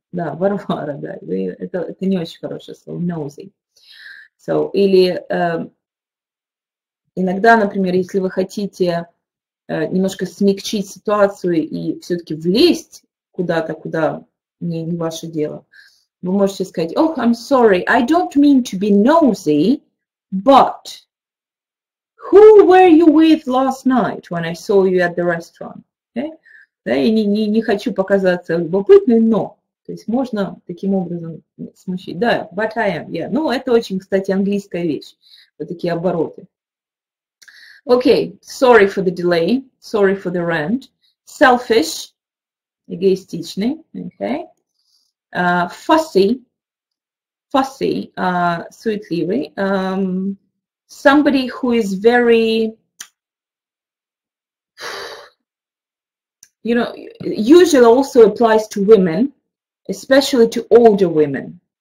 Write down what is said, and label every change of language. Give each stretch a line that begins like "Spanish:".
Russian: Да, Варвара, да, это не очень хорошее слово, nosy. So, или иногда, например, если вы хотите немножко смягчить ситуацию и все-таки влезть куда-то, куда не ваше дело. Вы можете сказать,
English: oh, I'm sorry, I don't mean to be nosy, but who were you with last night when I saw you at the restaurant? Okay?
Russian: Да, я не хочу показаться любопытной, но. То есть можно таким образом смущить. Да, but I am, yeah. Ну, это очень, кстати, английская вещь. Вот такие обороты.
English: Okay, sorry for the delay, sorry for the rant. Selfish, эгоистичный, okay. Fussy, суетливый. Somebody who is very, you know, usually also applies to women, especially to older women.